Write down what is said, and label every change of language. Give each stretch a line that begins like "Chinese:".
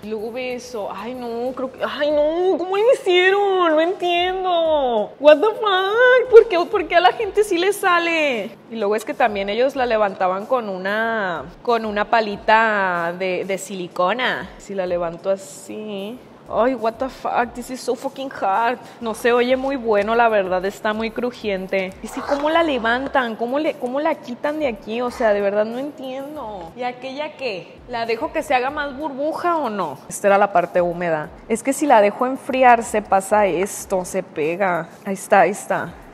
Spanish: Y luego ve eso. Ay, no, ¿cómo lo hicieron? No entiendo.
English: What the fuck?
Spanish: ¿Por qué a la gente sí le sale? Y luego es que también ellos la levantaban con una palita de silicona. Si la levanto así.
English: Ay, what the fuck, this is so fucking hard.
Spanish: No se oye muy bueno, la verdad, está muy crujiente. Y si, ¿cómo la levantan? ¿Cómo la quitan de aquí? O sea, de verdad no entiendo. ¿Y aquella qué? ¿La dejo que se haga más burbuja o no? Esta era la parte húmeda. Es que si la dejo enfriarse, pasa esto, se pega. Ahí está.